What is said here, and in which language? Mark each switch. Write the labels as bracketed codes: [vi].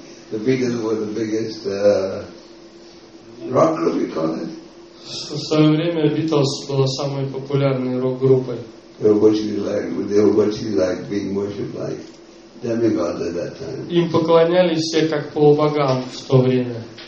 [en] The Beatles were the biggest rock group, you call it? [ru] В свое время Beatles была самой популярной рок-группой. [en] They were virtually like being worshipped like demigods at that time. [ru] Им поклонялись все как полубогам в то время.